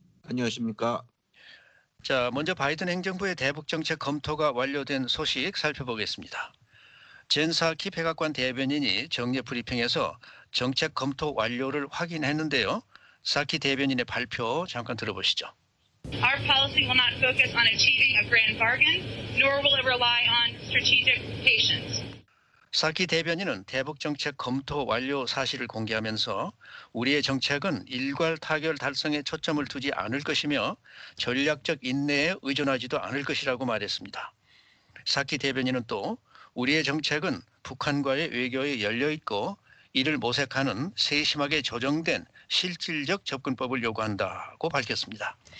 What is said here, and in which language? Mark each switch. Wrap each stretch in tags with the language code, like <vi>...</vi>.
<ko>안녕하십니까? 자, 먼저 바이든 행정부의 대북정책 검토가 완료된 소식 살펴보겠습니다. 젠 사키 백악관 대변인이 정례 브리핑에서 정책 검토 완료를 확인했는데요. 사키 대변인의 발표 잠깐 들어보시죠.</ko> <en>Our policy will not focus on achieving a grand bargain, nor will it rely on strategic patience.</en> <ko>사키 대변인은 대북정책 검토 완료 사실을 공개하면서 우리의 정책은 일괄 타결 달성에 초점을 두지 않을 것이며 전략적 인내에 의존하지도 않을 것이라고 말했습니다. 사키 대변인은 또 우리의 정책은 북한과의 외교에 열려있고 이를 모색하는 세심하게 조정된 실질적 접근법을 요구한다고 밝혔습니다.</ko>